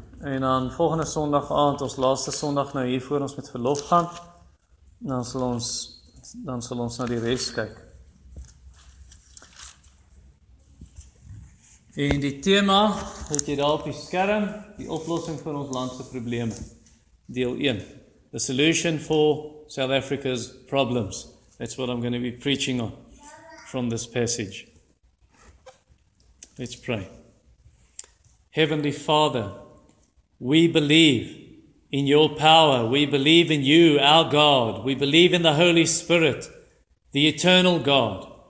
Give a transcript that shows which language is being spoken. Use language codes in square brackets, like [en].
[af] En dan volgende sondag aand, ons laaste sondag nou hier voor ons met verlof gaan, dan sal ons na die res kyk. En die tema, het jy daar op die skerm, die oplossing vir ons landse probleme, deel 1. [en] The solution for South Africa's problems. That's what I'm going to be preaching on from this passage. Let's pray. Heavenly Father, we believe in your power. We believe in you, our God. We believe in the Holy Spirit, the eternal God.